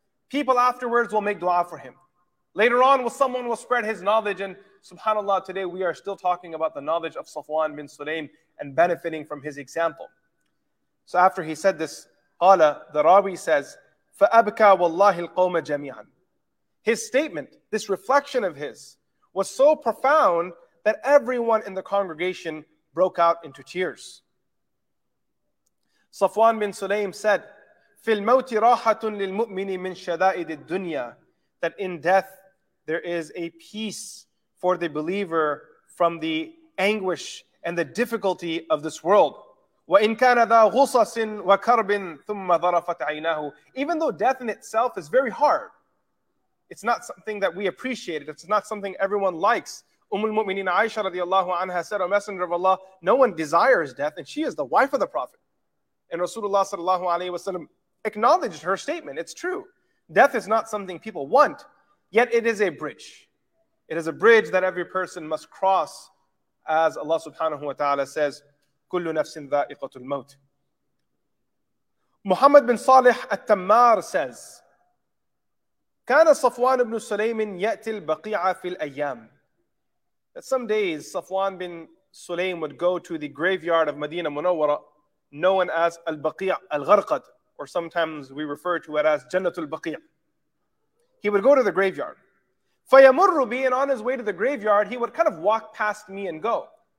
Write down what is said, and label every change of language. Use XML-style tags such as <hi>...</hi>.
<en>People afterwards will make dua for him. Later on, someone will spread his knowledge, and subhanAllah, today we are still talking about the knowledge of Safwan bin Sulaim and benefiting from his example. So after he said this, قال, the Rawi says,</en> <ar>فَأَبْكَى وَاللَّهِ الْقَوْمَ جَمِيعًا.</ar> <en>His statement, this reflection of his, was so profound that everyone in the congregation broke out into tears.</en> <ar>Safwan bin Sulaim said, فِي الْمَوْتِ رَاحَةٌ لِلْمُؤْمِنِ مِنْ شَدَائِدِ الدُّنْيَا.</ar> <en>That in death there is a peace for the believer from the anguish and the difficulty of this world.</en> <ar>وَإِنْ كَانَ ذَا غُصَصٍ وَكَرْبٍ ثُمَّ ظَرَفَتْ عَيْنَاهُ.</ar> <en>Even though death in itself is very hard, it's not something that we appreciate. It's not something everyone likes. Ummul Mu'mineen Aisha radiallahu anha said, O Messenger of Allah, no one desires death, and she is the wife of the Prophet. And Rasulullah sallallahu alayhi wasallam acknowledged her statement. It's true. Death is not something people want, yet it is a bridge. It is a bridge that every person must cross, as Allah subhanahu wa ta'ala says,</en> <ar>Kullu nafsin dha'iqatul maut. Muhammad bin Salih al-Tammar says, كان صفوان بن سليم يأتي البقيعة في الأيام.</ar> <en>That some days Safwan bin Sulaim would go to the graveyard of Medina Munawwara, known as al-Baqi' al-Gharqad, or sometimes we refer to it as Jannatul Baqi'. He would go to the graveyard.</en> <ar>فَيَمُرُّ بِي.</ar> <en>And on his way to the graveyard, he would kind of walk past me and go.</en>